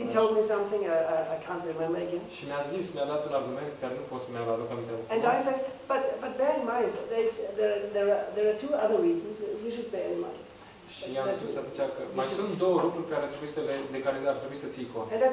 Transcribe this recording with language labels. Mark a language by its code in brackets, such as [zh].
[en] He told me something I can't remember again. [ro] Și mi-a dat un argument care nu pot să mi-l aduc aminte. [en] And I said, but bear in mind there are two other reasons you should bear in mind. [ro] Și i-am spus atunci că mai sunt două lucruri care ar trebui să ții cont.